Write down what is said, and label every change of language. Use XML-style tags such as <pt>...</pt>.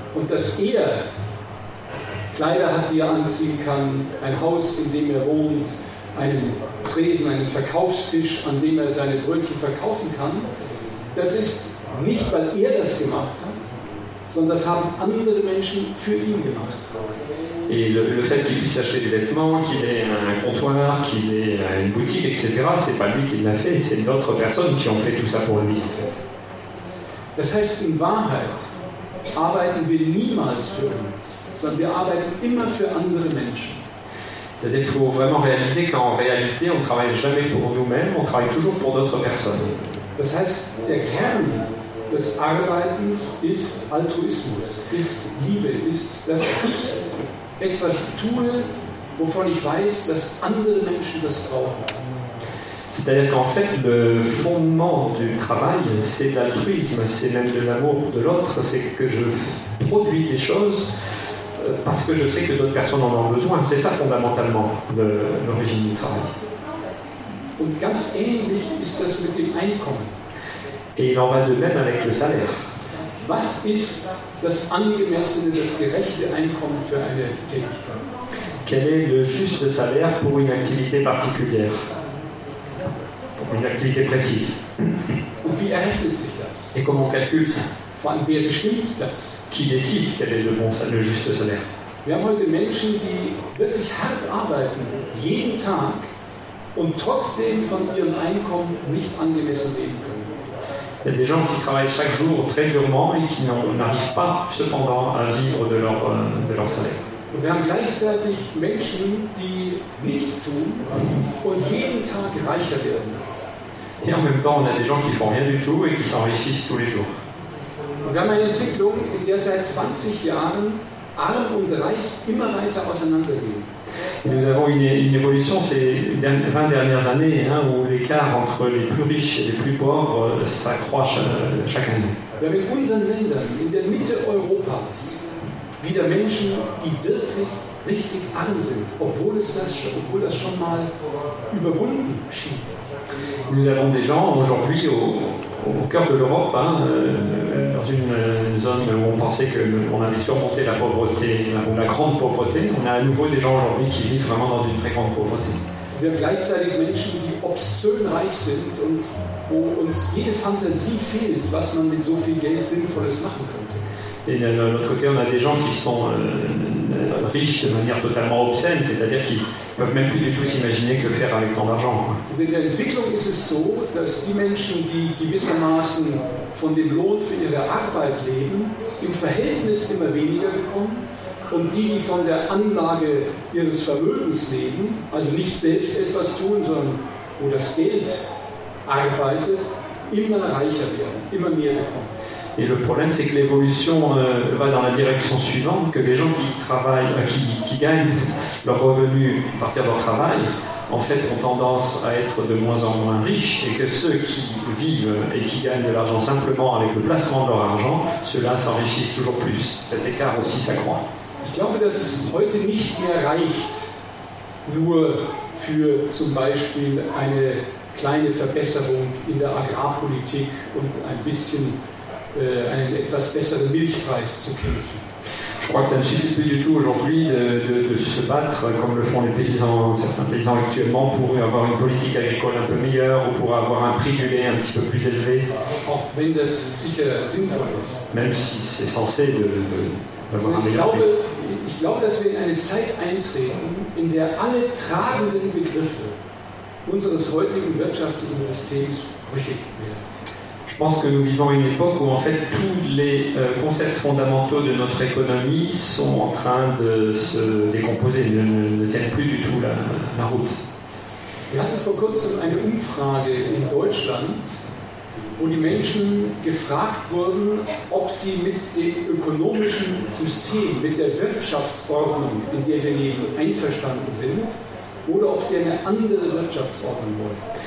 <de>Und dass er Kleider hat, die er anziehen kann, ein Haus, in dem er wohnt, einen Tresen, einen Verkaufstisch, an dem er seine Brötchen verkaufen kann, das ist nicht, weil er das gemacht hat, sondern das haben andere Menschen für ihn gemacht.</de> <fr>Et le fait qu'il puisse acheter des vêtements, qu'il ait un comptoir, qu'il ait une boutique, etc., c'est pas lui qui l'a fait, c'est d'autres personnes qui ont fait tout ça pour lui, en fait.</fr> <de>Das heißt, in Wahrheit arbeiten wir niemals für uns, sondern wir arbeiten immer für andere Menschen.</de> <fr>C'est-à-dire qu'il faut vraiment réaliser qu'en réalité, on ne travaille jamais pour nous-mêmes, on travaille toujours pour d'autres personnes.</fr> <de>Das heißt, der Kern des Arbeitens ist Altruismus, ist Liebe, ist, dass ich etwas tue, wovon ich weiß, dass andere Menschen das brauchen.</de> <fr>C'est-à-dire qu'en fait, le fondement du travail, c'est l'altruisme, c'est même de l'amour de l'autre, c'est que je produis des choses parce que je sais que d'autres personnes en ont besoin. C'est ça, fondamentalement, l'origine du travail.</fr> <de>Und ganz ähnlich ist das mit dem Einkommen.</de> <fr>Et il en va de même avec le salaire.</fr> <de>Was ist das angemessene, das gerechte Einkommen für eine Tätigkeit?</de> <fr>Quel est le juste salaire pour une activité particulière? Pour une activité précise.</fr> <de>Und wie errechnet sich das?</de> <fr>Et comment on calcule ça?</fr> <de>Von wer bestimmt das?</de> <fr>Qui décide quel est le juste salaire?</fr> <de>Wir haben heute Menschen, die wirklich hart arbeiten, jeden Tag, und trotzdem von ihrem Einkommen nicht angemessen leben können.</de> <fr>Il y a des gens qui travaillent chaque jour très durement et qui n'arrivent pas cependant à vivre de leur salaire.</fr> <de>Und wir haben gleichzeitig Menschen, die nichts tun und jeden Tag reicher werden.</de> <fr>Et en même temps, on a des gens qui font rien du tout et qui s'enrichissent tous les jours.</fr> <de>Und wir haben eine Entwicklung, in der seit 20 Jahren Arm und Reich immer weiter auseinandergehen.</de> <fr>Et nous avons une évolution ces 20 dernières années hein, où l'écart entre les plus riches et les plus pauvres s'accroît chaque année.</fr> <de>Wir haben in unseren Ländern, in der Mitte Europas, wieder Menschen, die wirklich richtig arm sind, obwohl das schon mal überwunden schien.</de> <fr>Nous avons des gens aujourd'hui au cœur de l'Europe, hein, dans une zone où on pensait qu'on avait surmonté la pauvreté, la grande pauvreté. On a à nouveau des gens aujourd'hui qui vivent vraiment dans une très grande pauvreté.</fr> <de>Wir haben gleichzeitig Menschen, die obszön reich sind und wo uns jede Fantasie fehlt, was man mit so viel Geld Sinnvolles machen könnte.</de> <fr>Et de l'autre côté, on a des gens qui sont riches de manière totalement obscène, c'est-à-dire qu'ils ne peuvent même plus du tout s'imaginer que faire avec tant d'argent.</fr> <de>In der Entwicklung ist es so, dass die Menschen, die gewissermaßen von dem Lohn für ihre Arbeit leben, im Verhältnis immer weniger bekommen und die, die von der Anlage ihres Vermögens leben, also nicht selbst etwas tun, sondern wo das Geld arbeitet, immer reicher werden, immer mehr bekommen.</de> <fr>Et le problème, c'est que l'évolution va dans la direction suivante, que les gens qui travaillent, qui gagnent leur revenu à partir de leur travail, en fait, ont tendance à être de moins en moins riches, et que ceux qui vivent et qui gagnent de l'argent simplement avec le placement de leur argent, ceux-là s'enrichissent toujours plus. Cet écart aussi s'accroît.</fr> <de>Ich glaube, dass es heute nicht mehr reicht, nur für zum Beispiel eine kleine Verbesserung in der Agrarpolitik und ein bisschen einen etwas besseren Milchpreis zu kämpfen.</de> <fr>Je crois que ça ne suffit plus du tout aujourd'hui de se battre comme le font les paysans, certains paysans actuellement, pour avoir une politique agricole un peu meilleure ou pour avoir un prix du lait un petit peu plus élevé.</fr> <de>Auch wenn das sicher sinnvoll ist.</de> <fr>Même si c'est censé d'avoir un meilleur prix.</fr> <de>Ich glaube, dass wir in eine Zeit eintreten, in der alle tragenden Begriffe unseres heutigen wirtschaftlichen Systems brüchig werden.</de> <fr>Je pense que nous vivons une époque où en fait tous les concepts fondamentaux de notre économie sont en train de se décomposer, ne tiennent plus du tout la route.</fr> <de>Wir hatten vor kurzem eine Umfrage in Deutschland, wo die Menschen gefragt wurden, ob sie mit dem ökonomischen System, mit der Wirtschaftsordnung, in der wir leben, einverstanden sind, oder ob sie eine andere Wirtschaftsordnung wollen.</de>